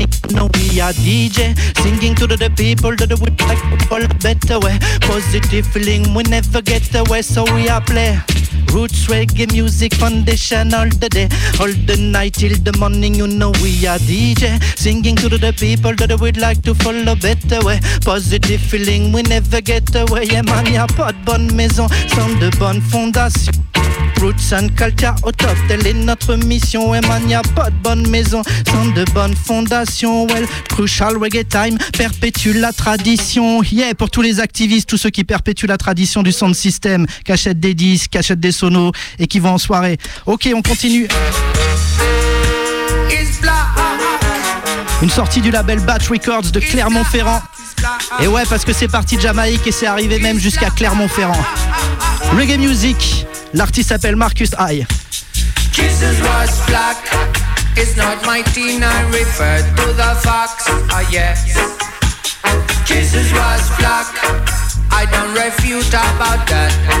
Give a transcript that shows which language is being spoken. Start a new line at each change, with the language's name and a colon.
English: No, we are DJ singing to the people that we like people better way. Positive feeling we never get away. So we are play Roots Reggae Music Foundation all the day, all the night till the morning. You know we are DJ singing to the people that we'd like to follow better way. Positive feeling we never get away. Yeah man,
French: y'a pas de bonne maison sans de bonne fondation.
English: Roots and culture
French: au top, telle est notre mission. Ouais man, y'a pas de bonne maison sans de bonnes fondations.
English: Well, crucial reggae time
French: perpétue la tradition. Yeah, pour tous les activistes, tous ceux qui perpétuent la tradition du sound system, qui achètent des disques, qui achètent des sonos et qui vont en soirée. Ok, on continue. Une sortie du label Batch Records de Clermont-Ferrand. Et ouais, parce que c'est parti de Jamaïque et c'est arrivé même jusqu'à Clermont-Ferrand. Reggae music. L'artiste s'appelle Marcus Haye.
English: Jesus was black, it's not my teen, I refer to the facts, ah yeah. Jesus was black, I don't refute about that.